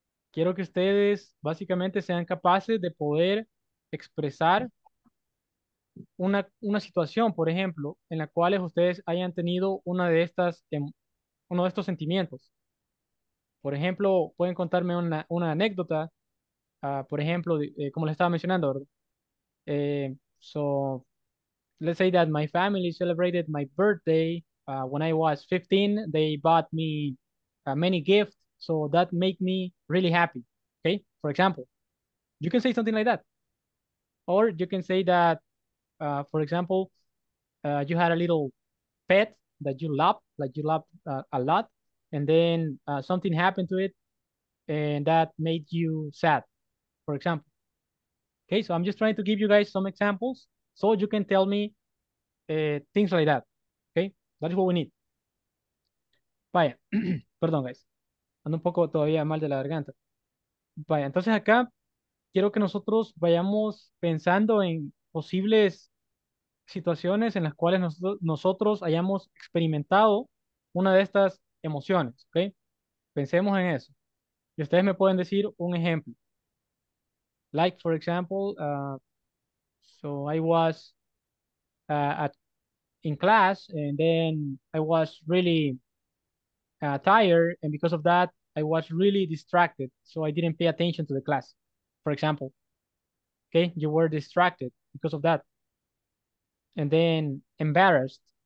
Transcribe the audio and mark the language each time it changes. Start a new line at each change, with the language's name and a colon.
Spanish: Quiero que ustedes básicamente sean capaces de poder expresar una situación, por ejemplo, en la cual ustedes hayan tenido uno de estos sentimientos. Por ejemplo, pueden contarme una anécdota, por ejemplo, como les estaba mencionando, ¿verdad?
English: So, let's say that my family celebrated my birthday when I was 15. They bought me many gifts, so that made me really happy, okay? For example, you can say something like that. Or you can say that, for example, you had a little pet that you loved, like you loved a lot. And then something happened to it and that made you sad, for example. Okay, so I'm just trying to give you guys some examples so you can tell me things like that. Okay, that is what we need.
Spanish: Vaya, perdón,
English: guys.
Spanish: Ando un poco todavía mal de la garganta. Vaya, entonces acá quiero que nosotros vayamos pensando en posibles situaciones en las cuales nosotros hayamos experimentado una de estas emociones, ¿ok? Pensemos en eso. Y ustedes me pueden decir un ejemplo.
English: Like, for example, so I was in class and then I was really tired and because of that, I was really distracted. So I didn't pay attention to the class, for example. Okay, you were distracted because of that. And then embarrassed.